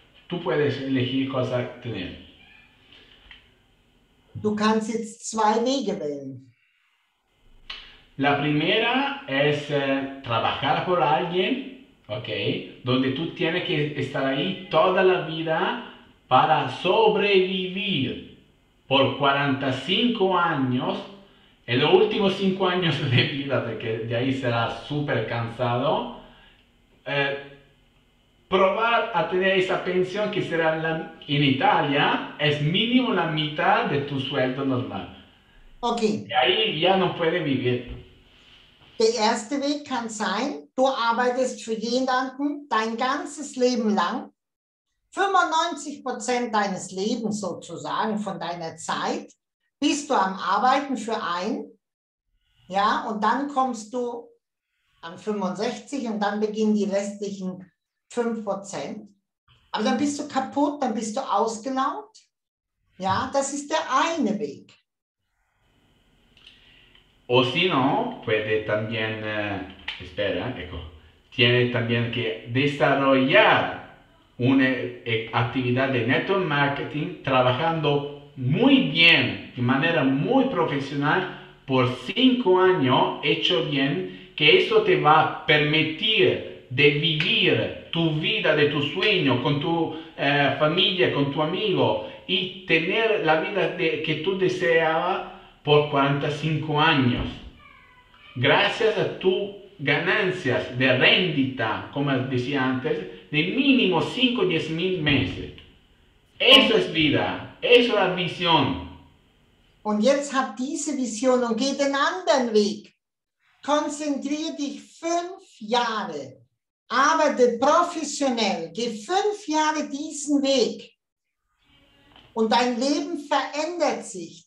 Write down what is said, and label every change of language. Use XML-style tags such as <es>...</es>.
<es>Tú puedes elegir cosa tener.</es> <de>Du kannst jetzt zwei Wege wählen.</de> <es>La primera es trabajar por alguien, ¿ok? Donde tú tienes que estar ahí toda la vida para sobrevivir por 45 años. En los últimos 5 años de vida, porque de ahí será súper cansado, probar a tener esa pensión que será en Italia, es mínimo la mitad de tu sueldo normal. Ok. De ahí ya no puedes vivir.</es> <de>Der erste Weg kann sein, du arbeitest für jemanden dein ganzes Leben lang, 95% deines Lebens sozusagen, von deiner Zeit, bist du am Arbeiten für einen, ja, und dann kommst du am 65 und dann beginnen die restlichen 5%. Aber dann bist du kaputt, dann bist du ausgelaugt. Ja, das ist der eine Weg.</de> <es>O si no, puede también, espera, ecco, tiene también que desarrollar una actividad de network marketing trabajando muy bien, de manera muy profesional, por 5 años hecho bien, que eso te va a permitir de vivir tu vida, de tu sueño, con tu familia, con tu amigo, y tener la vida que tú deseabas por 45 años. Gracias a tus ganancias de rendita, como decía antes, de mínimo 5 o 10 mil meses. Eso es vida. Eso es la visión.</es> <de>Und jetzt hab diese Vision und geh den anderen Weg. Konzentrier dich 5 Jahre. Arbeite professionell. Geh 5 Jahre diesen Weg. Und dein Leben verändert sich.</de>